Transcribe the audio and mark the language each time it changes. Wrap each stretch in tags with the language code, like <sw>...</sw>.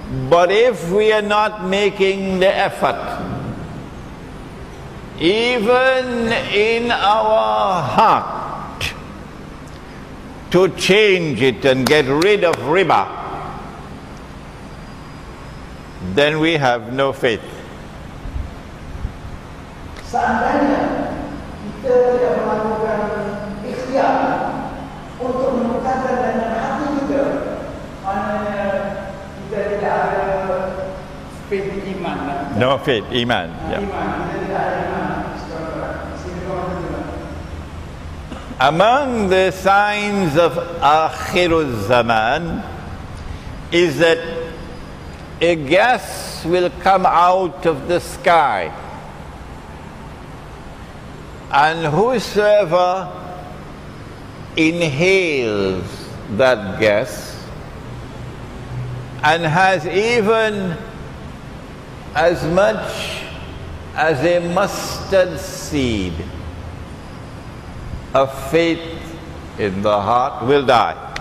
<en>But if we are not making the effort, even in our heart, to change it and get rid of riba, then we have no faith.</en> <ms>Seandainya kita tidak melakukan ikhtiar untuk menukarkan dengan hati juga, maknanya kita tidak ada faith, iman.</ms> <en>No faith, iman. Yeah.</en> <ms>Iman, kita tidak ada iman.</ms> <en>Among the signs of akhiruz zaman is that a gas will come out of the sky, and whosoever inhales that gas and has even as much as a mustard seed of faith in the heart will die.</en>